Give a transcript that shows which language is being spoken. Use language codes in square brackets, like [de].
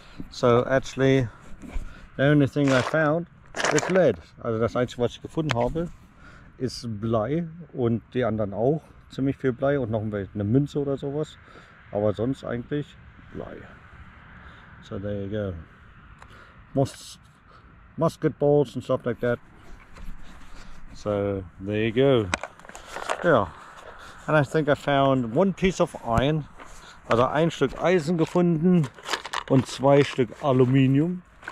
[en] So actually, the only thing I found is lead. [de] Also das Einzige, was ich gefunden habe, ist Blei und die anderen auch. Ziemlich viel Blei und noch eine Münze oder sowas. Aber sonst eigentlich Blei. [en] So there you go. Musket balls and stuff like that. So there you go. Yeah. And I think I found one piece of iron. [de] Also ein Stück Eisen gefunden und zwei Stück Aluminium.